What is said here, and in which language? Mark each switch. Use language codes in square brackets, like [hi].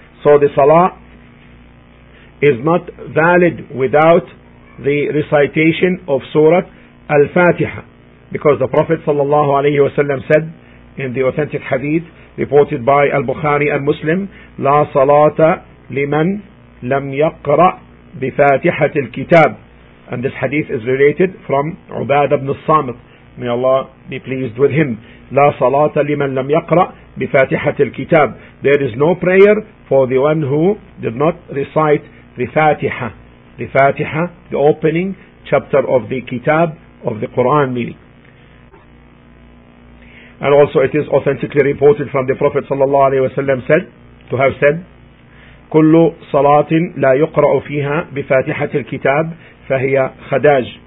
[en] So the Salah is not valid without the recitation of Surah Al-Fatiha, because the Prophet sallallahu alayhi wa sallam said in the authentic hadith reported by Al-Bukhari and Muslim, [ar] لا صلاة لمن لم يقرأ بفاتحة الكتاب. [en] And this hadith is related from Ubad ibn al-Samit, may Allah be pleased with him. [ar] لا صلاة لمن لم يقرأ بفاتحة الكتاب. [en] There is no prayer for the one who did not recite the Fatiha, the opening chapter of the Kitab of the Quran, meaning. And also it is authentically reported from the Prophet sallallahu alaihi wasallam said to have said, [ar] كل صلاة لا يقرأ فيها بفاتحة الكتاب فهي خداج.